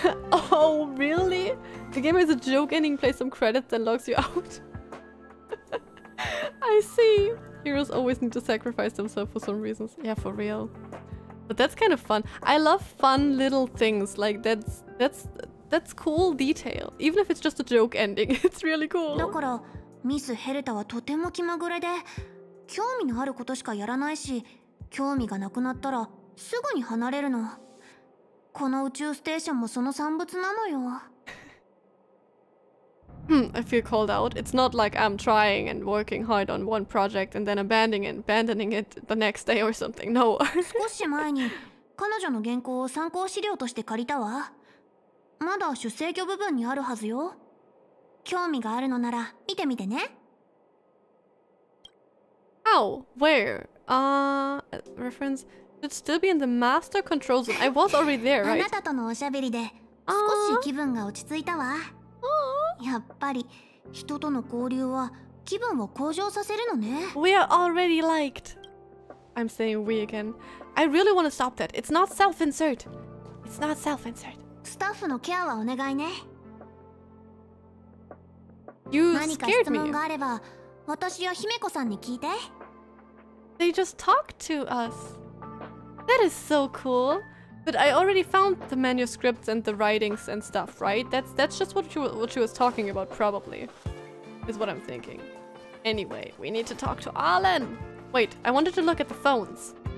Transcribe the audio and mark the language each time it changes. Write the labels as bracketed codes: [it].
[en] Oh, really? The game is a joke ending, play some credits, then logs you out. I see. Heroes always need to sacrifice themselves for some reasons. Yeah, for real. But that's kind of fun. I love fun little things. Like, that's cool detail. Even if it's just a joke ending, it's really cool. [ja] だから、ミス・ヘルタはとても気まぐれで、興味のあることしかやらないし、興味がなくなったらすぐに離れるの。この宇宙ステーションもその産物なのよ。 [en] I feel called out. It's not like I'm trying and working hard on one project and then abandoning it the next day or something. No. [ja] 少し前に彼女の原稿を参考資料として借りたわ。まだ出生業部分にあるはずよ。興味があるのなら見てみてね。 [en] How? Where? Reference? It'd still be in the master control zone. I was already there, right? [ja] あなたとのおしゃべりで少し気分が落ち着いたわ。やっぱり人との交流は気分を向上させるのね。 [en] We are already liked. I'm saying we again. I really want to stop that. It's not self-insert. It's not self-insert. [ja] スタッフのケアはお願いね。 [en] You scared me. [ja] 何か質問があれば私や姫子さんに聞いて。 [en] They just talked to us. That is so cool. But I already found the manuscripts and the writings and stuff, right? That's just what she was talking about, probably. Is what I'm thinking. Anyway, we need to talk to Arlen. Wait, I wanted to look at the phones.